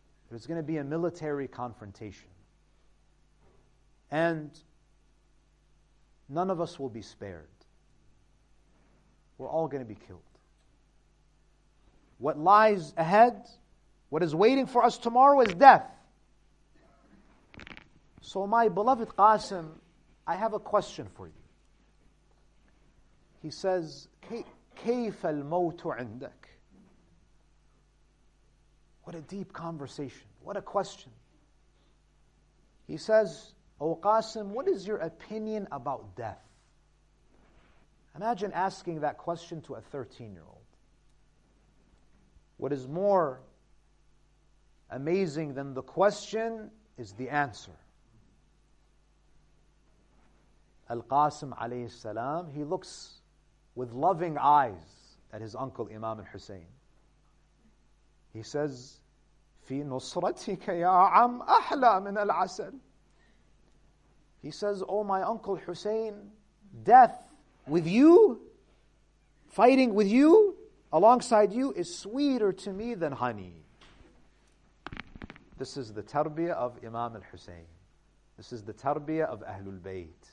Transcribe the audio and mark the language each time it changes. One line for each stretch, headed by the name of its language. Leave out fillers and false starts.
English: There's going to be a military confrontation. And none of us will be spared. We're all going to be killed. What lies ahead, what is waiting for us tomorrow is death. So my beloved Qasim, I have a question for you. He says,
Arabic: كيف الموت عندك?
English: What a deep conversation. What a question. He says, O Qasim, what is your opinion about death? Imagine asking that question to a 13-year-old. What is more amazing than the question is the answer. Al-Qasim alayhi salam, he looks with loving eyes at his uncle Imam al-Hussein. He says,
Arabic: في نصرتك يا عم أحلى من العسل.
English: He says, oh my uncle Hussein, death with you, fighting with you, alongside you, is sweeter to me than honey. This is the tarbiyah of Imam al-Hussein. This is the tarbiyah of Ahlul Bayt.